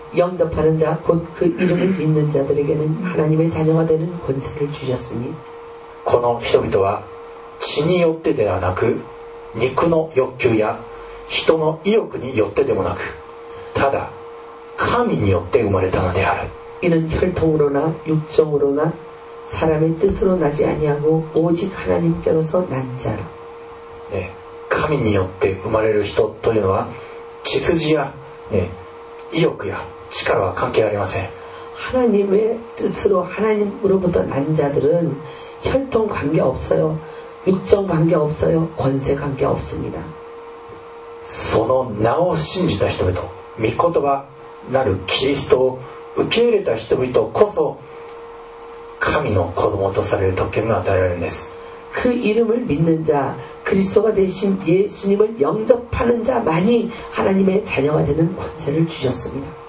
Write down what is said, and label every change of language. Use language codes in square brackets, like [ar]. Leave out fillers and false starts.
[ko] 영접하는자곧그이름을믿는자들에게는하나님의자녀가되는권세를주셨으니 [ja] この人々は血によってではなく肉の欲求や人の意欲によってでもなくただ神によって生まれたのである。 [ko] 이는혈통으로나육정으로나사람의뜻으로나지아니하고오직하나님께로서난자라 [ja] 네神によって生まれる人というのは血筋や、ね、意欲や力は関係ありません。 [ko] 하나님의뜻으로하나님으로부터난자들은혈통관계없어요육정관계없어요권세관계없습니다 [ja] その名を信じた人々御言葉なるキリストを受け入れた人々こそ神の子供とされる特権が与えられるんです。 [ko] 그이름을믿는자그리스도가되신예수님을영접하는자만이하나님의자녀가되는권세를주셨습니다